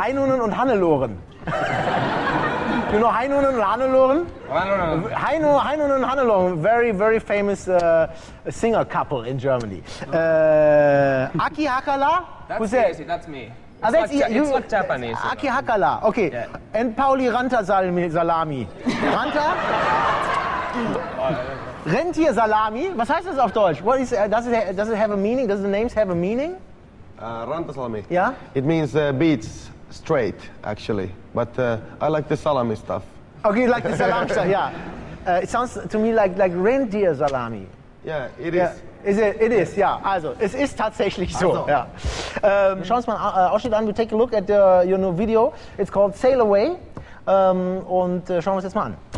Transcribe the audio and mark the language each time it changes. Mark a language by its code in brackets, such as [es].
[de] Heinonen und Hannelohren. [en] You know Heinonen und Hannelohren? Heinonen. [de] Heinonen und Hannelohren. [en] Very, very famous singer couple in Germany. Aki Hakala? That's me. Ah, it's Japanese. Aki Hakala, okay. Yeah. And Pauli Ranta Salami. Ranta? Rentier Salami? [de] Was heißt das auf Deutsch? [en] What is, does it have a meaning? Does the names have a meaning? Ranta Salami. Yeah? It means beets straight, actually. But I like the salami stuff. Okay, you like the salami stuff, yeah. It sounds to me like Rentier Salami. Yeah, it is. [de] Also, es ist tatsächlich so. Also. Ja. Schauen wir uns mal Ausschnitt an. [en] We take a look at your new video. It's called Sail Away. [de] Und schauen wir uns jetzt mal an.